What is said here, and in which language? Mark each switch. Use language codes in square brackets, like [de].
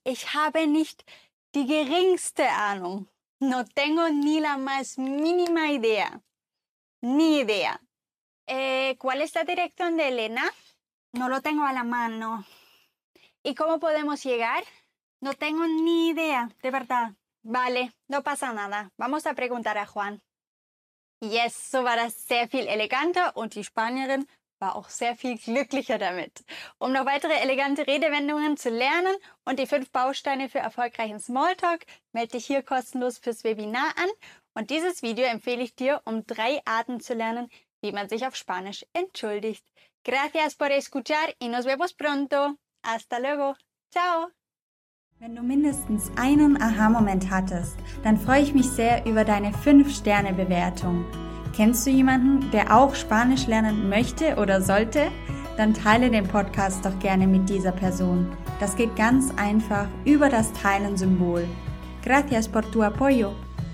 [de] Ich habe nicht die geringste Ahnung. [es] No tengo ni la más mínima idea. Ni idea. ¿Cuál es la dirección de Elena? No lo tengo a la mano. ¿Y cómo podemos llegar? No tengo ni idea, de verdad. Vale, no pasa nada. Vamos a preguntar a Juan. [de] Yes, so war das sehr viel eleganter und die Spanierin war auch sehr viel glücklicher damit. Um noch weitere elegante Redewendungen zu lernen und die 5 Bausteine für erfolgreichen Smalltalk, melde dich hier kostenlos fürs Webinar an. Und dieses Video empfehle ich dir, um 3 Arten zu lernen, wie man sich auf Spanisch entschuldigt. [es] Gracias por escuchar y nos vemos pronto. Hasta luego. Ciao. [de] Wenn du mindestens einen Aha-Moment hattest, dann freue ich mich sehr über deine 5-Sterne-Bewertung. Kennst du jemanden, der auch Spanisch lernen möchte oder sollte? Dann teile den Podcast doch gerne mit dieser Person. Das geht ganz einfach über das Teilen-Symbol. [es] Gracias por tu apoyo.